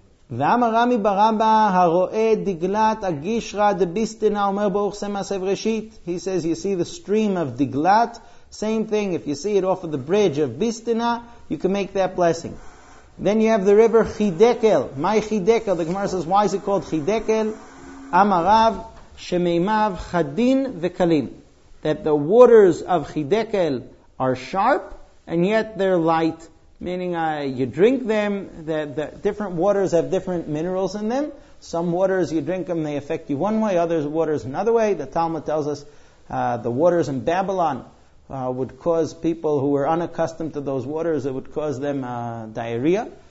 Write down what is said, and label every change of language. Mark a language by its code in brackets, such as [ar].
[he] ואמר רמי ברבא הרואה דגלת הגישרא דביסטינה אומר ברוך שם מעשה ראשית. [en] He says, you see the stream of דגלת, same thing, if you see it off of the bridge of ביסטינה, you can make that blessing. Then you have the river חידקל. [he] מהי חידקל? [en] The Gemara says, why is it called חידקל? [he] אמר רב שמימיו חדין וקלים. [en] That the waters of חידקל are sharp, and yet they're light. Meaning you drink them, the different waters have different minerals in them. Some waters, you drink them, they affect you one way, others waters another way. The Talmud tells us the waters in Babylon would cause people who were unaccustomed to those waters, it would cause them diarrhea.